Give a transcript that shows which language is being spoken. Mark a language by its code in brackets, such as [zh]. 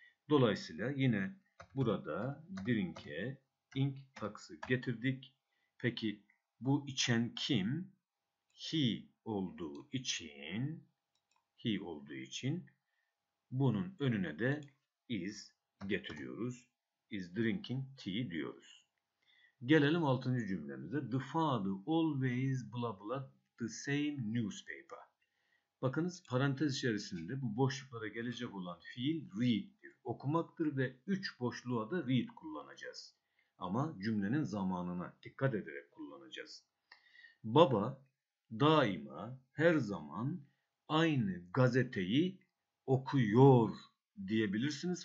[tr] Dolayısıyla yine burada drink'e ink taksı getirdik. Peki bu içen kim? He olduğu için, he olduğu için bunun önüne de is getiriyoruz. [en] Is drinking tea [tr] diyoruz. Gelelim altıncı cümlemize. [en] The father always blah blah the same newspaper. [tr] Bakınız, parantez içerisinde bu boşluklara gelecek olan fiil read'dir. Okumaktır ve 3 boşluğa da read kullanacağız. Ama cümlenin zamanına dikkat ederek kullanacağız. Baba daima her zaman aynı gazeteyi okuyor diyebilirsiniz.